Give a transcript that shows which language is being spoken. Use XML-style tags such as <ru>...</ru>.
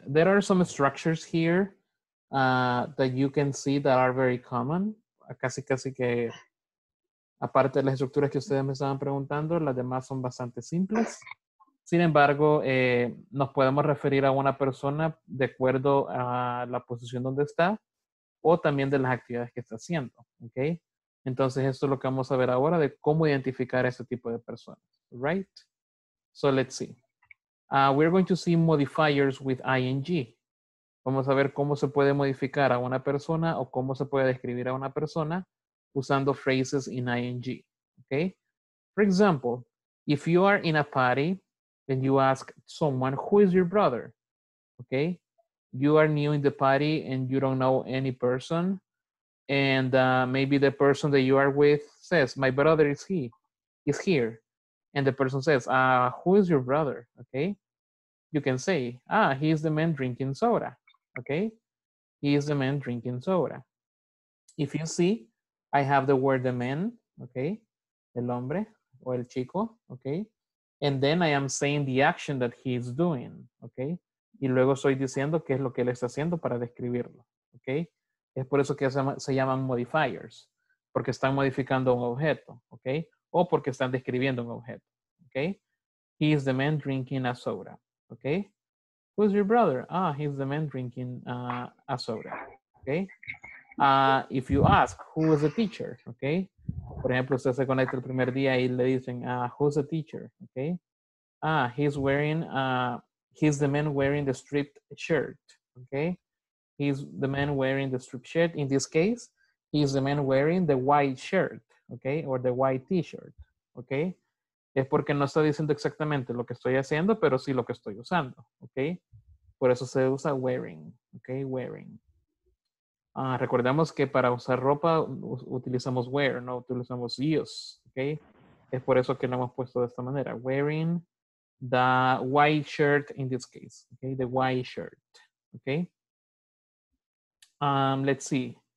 <en>There are some structures here that you can see that are very common.</en> <es>Casi, casi que, aparte de las estructuras que ustedes me estaban preguntando, las demás son bastante simples. Sin embargo, nos podemos referir a una persona de acuerdo a la posición donde está o también de las actividades que está haciendo. ¿Ok? Entonces, esto es lo que vamos a ver ahora de cómo identificar a ese tipo de personas,</es> <en>right? So, let's see. We're going to see modifiers with ing.</en> <es>Vamos a ver cómo se puede modificar a una persona o cómo se puede describir a una persona usando</es> <en>phrases in ing,</en> <es>okay?</es> <en>For example, if you are in a party and you ask someone, who is your brother? Okay? You are new in the party and you don't know any person. And maybe the person that you are with says, my brother is here. And the person says, who is your brother? Okay. You can say, he is the man drinking soda. Okay. He is the man drinking soda. If you see, I have the word the man. Okay.</en> <es>El hombre o el chico.</es> <en>Okay. And then I am saying the action that he is doing. Okay.</en> <es>Y luego estoy diciendo qué es lo que él está haciendo para describirlo. Okay. Es por eso que se llaman modifiers, porque están modificando un objeto, ¿ok? O porque están describiendo un objeto,</es> <en>¿ok? He is the man drinking a soda, ¿ok? Who is your brother? Ah, he is the man drinking a soda, ¿ok? If you ask, who is the teacher, ¿ok?</en> <es>Por ejemplo, usted se conecta el primer día y le dicen,</es> <en>who is the teacher, ¿ok? He is the man wearing the striped shirt, ¿ok? He's the man wearing the striped shirt. In this case, he's the man wearing the white shirt, okay? Or the white t-shirt, okay?</en> <es>Es porque no está diciendo exactamente lo que estoy haciendo, pero sí lo que estoy usando, okay? Por eso se usa wearing, okay? Wearing. Recordemos que para usar ropa utilizamos wear, no utilizamos use, okay? Es por eso que lo hemos puesto de esta manera.</es> <en>Wearing the white shirt in this case, okay? The white shirt, okay? Let's see.</en>